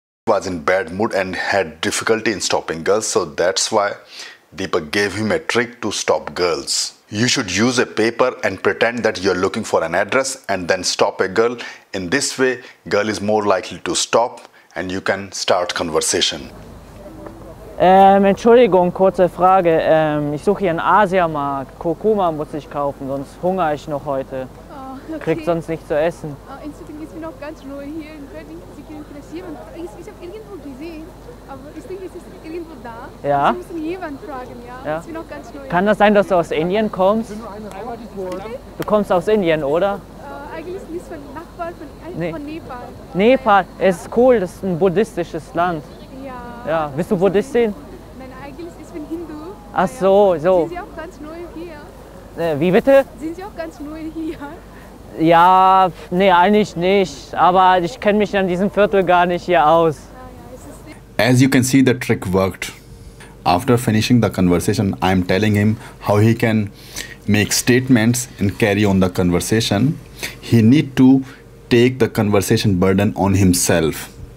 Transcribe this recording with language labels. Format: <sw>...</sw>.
<en>He was in bad mood and had difficulty in stopping girls, so that's why Deepak gave him a trick to stop girls. You should use a paper and pretend that you're looking for an address and then stop a girl. In this way, girl is more likely to stop and you can start conversation.</en> <de>Entschuldigung, kurze Frage. Ich suche hier einen Asiamarkt. Kurkuma muss ich kaufen, sonst hungere ich noch heute. Oh, okay. Kriegt sonst nichts zu essen. Entschuldigung, ich bin noch ganz neu hier in Berlin. Sie können vielleicht jemanden. Ich habe irgendwo gesehen. Aber ich denke, es ist irgendwo da. Ja. Sie müssen jemanden fragen, ja? Ja. Ich bin noch ganz neu. Kann das sein, dass du aus Indien kommst? Ich bin nur eine Reihe. Du kommst aus Indien, oder? Eigentlich nicht von Nachbar, von Nepal. Nepal, ja. Ist cool, das ist ein buddhistisches Land. Ja. Ja. Bist du Buddhistin? Nein, eigentlich ich bin Hindu. Ach so, ja. So. Sind Sie auch ganz neu hier? Wie bitte? Sind Sie auch ganz neu hier? Ja, nee, eigentlich nicht. Aber ich kenne mich an diesem Viertel gar nicht hier aus.</de> <en>As you can see, the trick worked. After finishing the conversation, I'm telling him how he can make statements and carry on the conversation. He need to take the conversation burden on himself.</en>